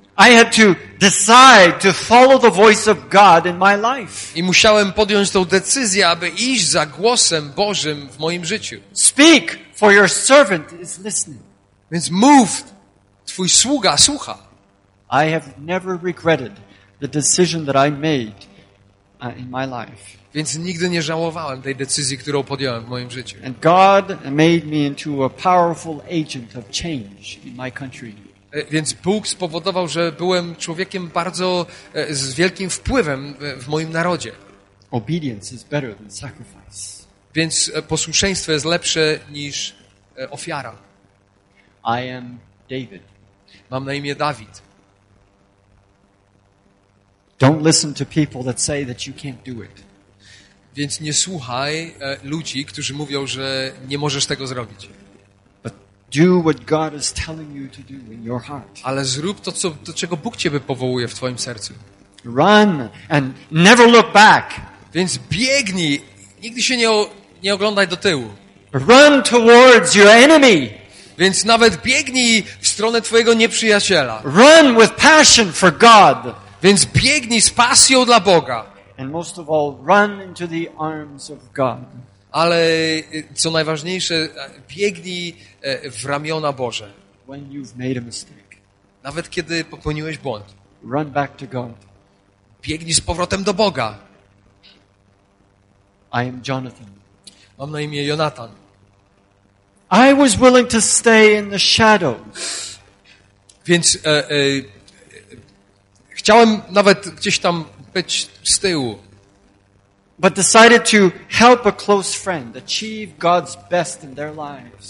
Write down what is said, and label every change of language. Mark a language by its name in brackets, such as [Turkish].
[English] I had to decide to follow the voice of God in my life. [Polish] I musiałem podjąć tą decyzję, aby iść za głosem Bożym w moim życiu. [English] Speak, for your servant is listening. [Polish] Więc mów, twój sługa słucha. [English] I have never regretted the decision that I made in my life. [Polish] Więc nigdy nie żałowałem tej decyzji, którą podjąłem w moim życiu. [English] And God made me into a powerful agent of change in my country. [Polish] Więc Bóg spowodował, że byłem człowiekiem bardzo z wielkim wpływem w moim narodzie. [English] Obedience is better than sacrifice. [Polish] Więc posłuszeństwo jest lepsze niż ofiara. [English] I am David. [Polish] Mam na imię Dawid. [English] Don't listen to people that say that you can't do it. [Polish] Więc nie słuchaj ludzi, którzy mówią, że nie możesz tego zrobić. [English] Do what God is telling you to do in your heart. [Polish] Ale zrób to, co, to czego Bóg ciebie powołuje w twoim sercu. [English] Run and never look back. [Polish] Więc biegnij, nigdy się nie oglądaj do tyłu. [English] Run towards your enemy. [Polish] Więc nawet biegnij w stronę twojego nieprzyjaciela. [English] Run with passion for God. [Polish] Więc biegnij z pasją dla Boga. [English] And most of all, run into the arms of God. [Polish] Ale co najważniejsze, biegnij w ramiona Boże. [English] When you've made a mistake. [Polish] Nawet kiedy popełniłeś błąd. [English] Run back to God. [Polish] Biegnij z powrotem do Boga. [English] I am Jonathan. [Polish] Mam na imię Jonathan. [English] I was willing to stay in the shadows. [Polish] Więc chciałem nawet gdzieś tam być z tyłu. [English] But decided to help a close friend achieve God's best in their lives.